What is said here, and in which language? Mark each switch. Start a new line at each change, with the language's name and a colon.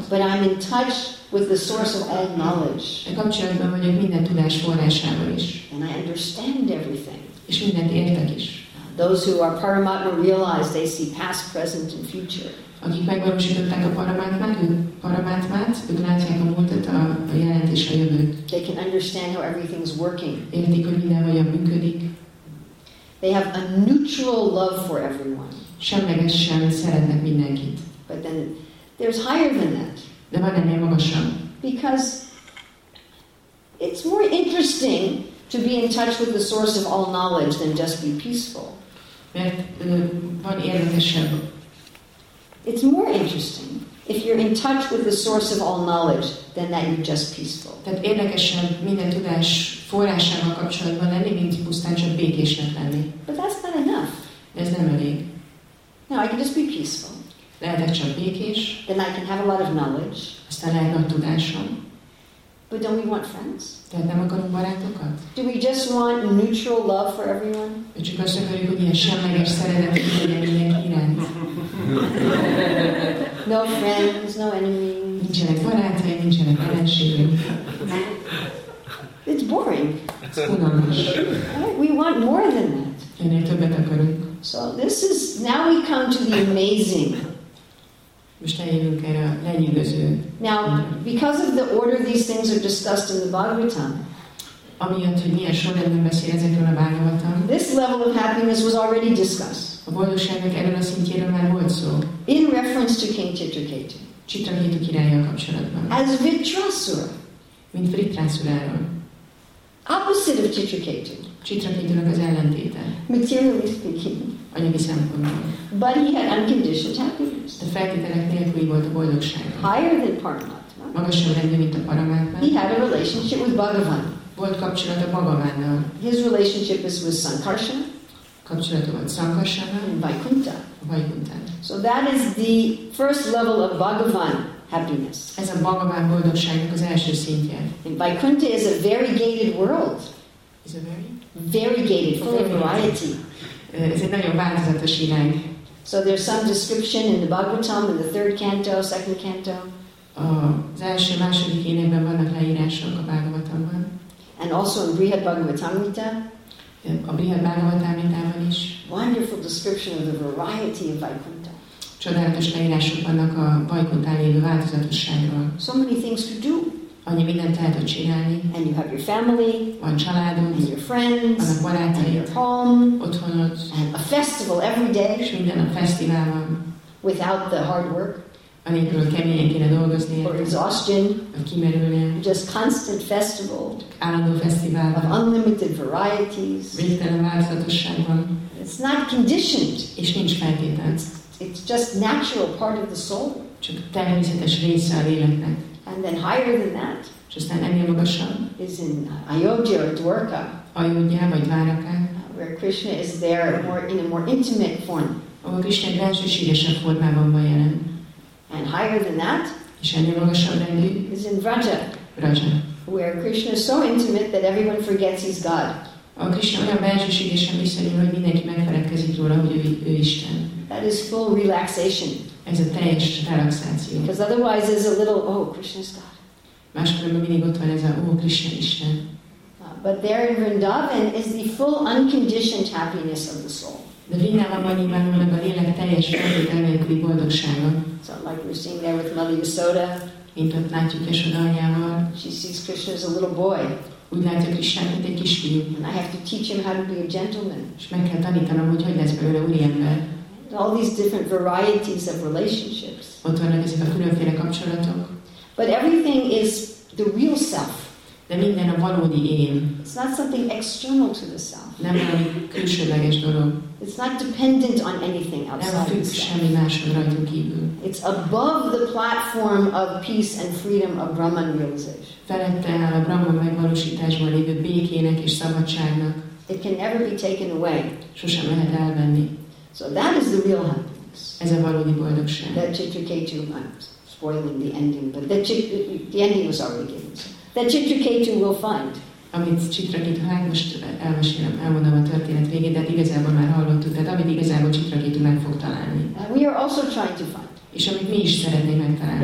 English: But I'm in touch with the source of all knowledge.
Hungarian: De kapcsolatban vagyok minden tudás forrásával is.
English: And I understand everything.
Hungarian: És mindent értek is.
English: Those who are Paramatma realize they see past, present, and future.
Hungarian: Akik megvalósították a Paramatmát, ők látják a múltat, a jelent és a jövőt.
English: They can understand how everything is working.
Hungarian: Értik, hogy minden hogyan működik.
English: They have a neutral love for everyone.
Hungarian: Semlegesen szeretnek mindenkit.
English: But then there's higher than that.
Hungarian: De van ennél magasabb.
English: Because it's more interesting to be in touch with the source of all knowledge than just be peaceful.
Hungarian: Mert van érdekesebb.
English: It's more interesting if you're in touch with the source of all knowledge than that you're just peaceful.
Hungarian: Tehát érdekesebb minden tudás forrásával kapcsolatban lenni, mint pusztán csak békésnek lenni.
English: But that's not enough.
Hungarian: De ez nem elég.
English: No, I can just be peaceful.
Hungarian: Lehetek csak békés.
English: Then I can have a lot of knowledge.
Hungarian: Aztán lehet nagy tudásom.
English: But don't we want friends?
Hungarian: De nem akarunk barátokat?
English: Do we just want neutral love for everyone?
Hungarian: De csak azt akarjuk, hogy ilyen semleges szeretet legyen mindenki iránt.
English: No friends, no enemies.
Hungarian: Nincsenek barátai, nincsenek ellenségek.
English: It's boring.
Hungarian: Ez unalmas.
English: We want more than that.
Hungarian: Ennél többet akarunk.
English: So this is, now we come to the amazing
Hungarian: Most eljövünk erre a lenyűgöző.
English: Now, because of the order these things are discussed in the Bhagavatam,
Hungarian: amiatt, hogy milyen sorrendben beszél ezekről a Bhagavatam,
English: this level of happiness was already discussed.
Hungarian: A boldogságnak erről a szintjéről már volt szó.
English: In reference to King Chitraketu.
Hungarian: Chitraketu királlyal kapcsolatban.
English: As Vritrasura.
Hungarian: Mint Vritrasuráról.
English: Opposite of Chitraketu.
Hungarian: Chitraketunak az ellentéte.
English: Materially speaking.
Hungarian: Anyagi szempontból.
English: But he had unconditioned happiness.
Hungarian: De feltételek nélküli volt a boldogság.
English: Higher than Paramatma.
Hungarian: Magasabb rendű, mint a Paramatma.
English: He had a relationship with Bhagavan.
Hungarian: Volt kapcsolata Bhagavannal.
English: His relationship is with Sankarsana.
Hungarian: Kapcsolata volt Sankarsana.
English: And Vaikuntha.
Hungarian: Vaikuntha.
English: So that is the first level of Bhagavan happiness.
Hungarian: Ez a Bhagavan boldogságnak az első szintje.
English: And Vaikuntha is a variegated world. Is a very? Variegated, full of variety.
Hungarian: Ez egy nagyon változatos irány.
English: So there's some description in the Bhagavatam in the third canto, second canto.
Hungarian: Az első, második énekben vannak leírások a Bhagavatamban.
English: And also in Brihad Bhagavatamrita.
Hungarian: A Brihad Bhagavatamritában is.
English: Wonderful description of the variety of Vaikuntha.
Hungarian: Csodálatos leírások vannak a Vaikunthán lévő változatosságról.
English: So many things to do.
Hungarian: Annyi mindent tehetod csinálni.
English: And you have your family.
Hungarian: Van családod.
English: And your friends.
Hungarian: Vannak barátaid.
English: And your home.
Hungarian: Otthonod.
English: And a festival every day.
Hungarian: És minden a fesztivál van.
English: Without the hard work.
Hungarian: Anélkül, hogy keményen kéne dolgozni.
English: Or exhaustion.
Hungarian: A kimerülnél.
English: Just constant festival.
Hungarian: Állandó fesztivál van.
English: Of unlimited varieties.
Hungarian: Végtelen változatosság van.
English: It's not conditioned.
Hungarian: És nincs feltétel.
English: It's just natural part of the soul.
Hungarian: Csak természetes része a léleknek.
English: And then higher than that, just an
Hungarian: ennél magasabb,
English: is in Ayodhya or Dwarka,
Hungarian: Ayodhya vagy Dwarka,
English: where Krishna is there more in a more intimate form.
Hungarian: Ahol Krishna bensőségesebb formában van jelen.
English: And higher than that,
Hungarian: és ennél magasabb rendű,
English: is in Vraja,
Hungarian: Vraja,
English: where Krishna is so intimate that everyone forgets he's God.
Hungarian: Ahol Krishna olyan bensőségesen viselkedik, hogy mindenki megfeledkezik róla, hogy ő Isten.
English: That is full relaxation.
Hungarian: Ez a teljes relaxáció.
English: Because otherwise there's a little, oh, Krishna's God.
Hungarian: Máskülönben mindig ott van ez a, oh, Krishna Isten.
English: But there in Vrindavan is the full unconditioned happiness of the soul.
Hungarian: De Vrindavanban imádom meg a lélek teljes feltételnélküli boldogsága.
English: So like we're seeing there with Mother Yasoda.
Hungarian: Mint ott látjuk Yasoda anyával.
English: She sees Krishna as a little boy.
Hungarian: Úgy látja Krishnát, mint egy kisfiú.
English: And I have to teach him how to be a gentleman.
Hungarian: És meg kell tanítanom, hogy lesz belőle úriember.
English: All these different varieties of relationships.
Hungarian: Ott vannak ezek a különféle kapcsolatok.
English: But everything is the real self.
Hungarian: De minden a valódi én.
English: It's not something external to the self.
Hungarian: Nem valami külsőleges dolog.
English: It's not dependent on anything outside.
Hungarian: Nem függ semmi máson rajtunk kívül.
English: It's above the platform of peace and freedom of Brahman realization.
Hungarian: Felette áll a Brahman megvalósításban lévő békének és szabadságnak.
English: It can never be taken away.
Hungarian: Sosem lehet elvenni.
English: So that is the real happiness.
Hungarian: Ez a valódi boldogság.
English: That Chitraketu, I'm spoiling the ending, but the ending was already given. That Chitraketu will find.
Hungarian: Amit Chitraketu, hát most elmesélem, elmondom a történet végén, de igazából már hallottuk, tehát amit igazából Chitraketu meg fog találni.
English: We are also trying to find.
Hungarian: És amit mi is szeretnénk megtalálni.